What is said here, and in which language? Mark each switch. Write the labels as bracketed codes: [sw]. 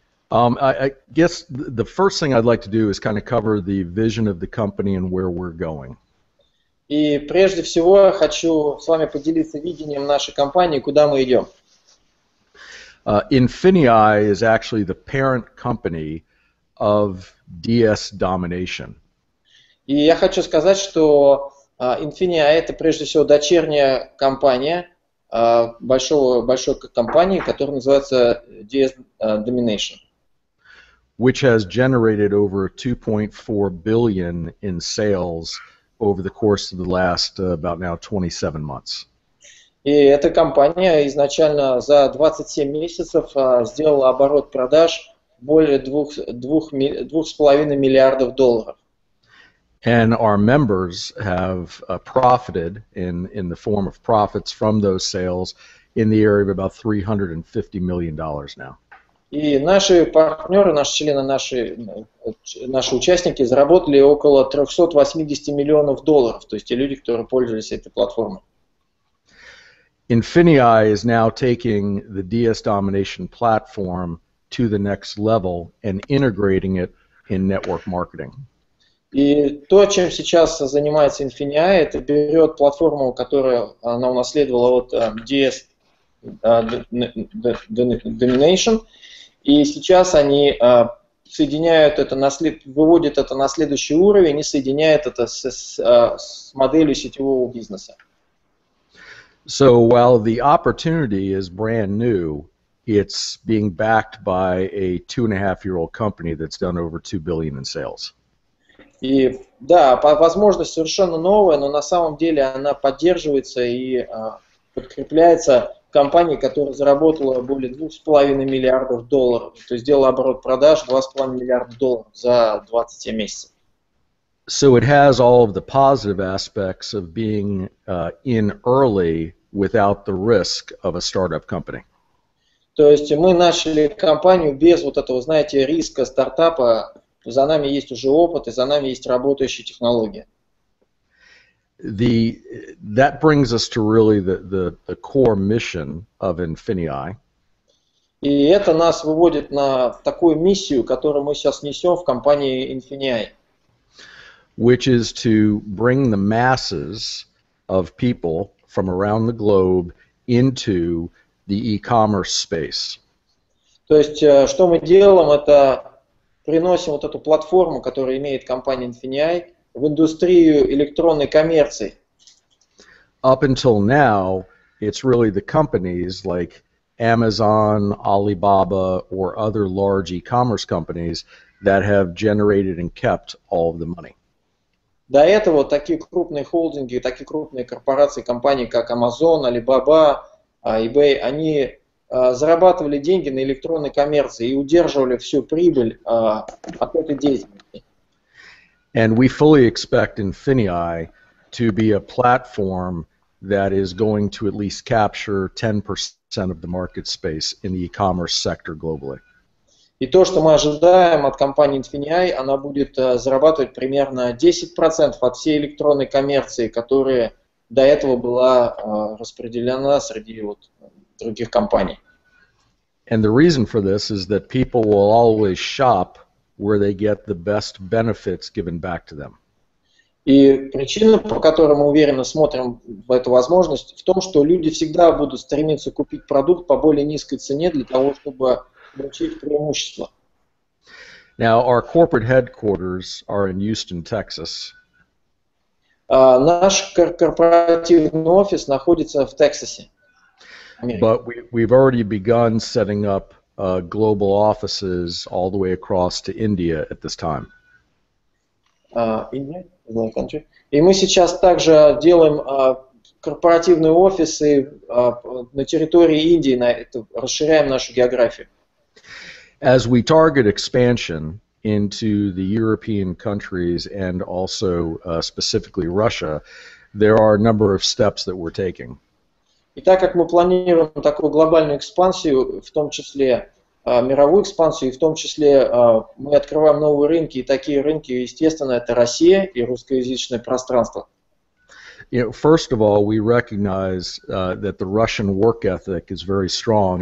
[en] I guess the first thing I'd like to do is kind of cover the vision of the company and where we're going. [ru] И прежде всего хочу с вами поделиться видением нашей компании, куда мы идем. [en] Infineye is actually the parent company of DS Domination. [ru] И я хочу сказать, что Infineye это прежде всего дочерняя компания большой компании, которая называется DS Domination. [en] Which has generated over 2.4 billion in sales over the course of the last about now 27 months. [ru] И эта компания изначально за 27 месяцев сделала оборот продаж более 2.5 миллиардов долларов. [en] And our members have profited in the form of profits from those sales in the area of about $350 million now. [ru] И наши партнеры, наши члены, наши участники заработали около 380 миллионов долларов, то есть те люди, которые пользовались этой платформой. [en] Infineye is now taking the DS Domination platform to the next level and integrating it in network marketing. [ru] И то, чем сейчас занимается Infineye, это берет платформу, которую она унаследовала от DS Domination, и сейчас они соединяют это, выводят это на следующий уровень и соединяют это с моделью сетевого бизнеса. [en] So while the opportunity is brand new, it's being backed by a 2.5-year-old company that's done over 2 billion in sales. [ru] И да, возможность совершенно новая, но на самом деле она поддерживается и подкрепляется компанией, которая заработала более 2,5 миллиардов долларов, то есть сделала оборот продаж 2,5 миллиарда долларов за 27 месяцев. [en] So it has all of the positive aspects of being in early without the risk of a startup company. [ru] То есть мы начали компанию без вот этого, знаете, риска стартапа. За нами есть уже опыт, и за нами есть работающие технологии. [en] That brings us to really the core mission of Infineye. [ru] И это нас выводит на такую миссию, которую мы сейчас несем в компании Infineye. [en] Which is to bring the masses of people from around the globe into the e-commerce space. [ru] То есть, что мы делаем, это приносим вот эту платформу, которую имеет компания Infineye, в индустрию электронной коммерции. [en] Up until now, it's really the companies like Amazon, Alibaba, or other large e-commerce companies that have generated and kept all of the money. [ru] До этого такие крупные холдинги, такие крупные корпорации, компании как Amazon, Alibaba, eBay, они зарабатывали деньги на электронной коммерции и удерживали всю прибыль от этой деятельности. [en] And we fully expect Infineye to be a platform that is going to at least capture 10% of the market space in the e-commerce sector globally. [ru] И то, что мы ожидаем от компании Infineye, она будет зарабатывать примерно 10% от всей электронной коммерции, которая до этого была распределена среди вот других компаний. [en] And the reason for this is that people will always shop where they get the best benefits given back to them. [ru] И причина, по которой мы уверенно смотрим в эту возможность, в том, что люди всегда будут стремиться купить продукт по более низкой цене для того, чтобы получить преимущество. [en] Now, our corporate headquarters are in Houston, Texas. [ru] Наш корпоративный офис находится в Тексасе. [en] But we've already begun setting up global offices all the way across to India at this time. India, my country. [ru] И мы сейчас также делаем корпоративные офисы на территории Индии, расширяем нашу географию. [en] As we target expansion into the European countries and also specifically Russia, there are a number of steps that we're taking. [ru] И так как мы планируем такую глобальную экспансию, в том числе мировую экспансию, и в том числе мы открываем новые рынки, и такие рынки, естественно, это Россия и русскоязычное пространство. [en] You know, first of all, we recognize that the Russian work ethic is very strong.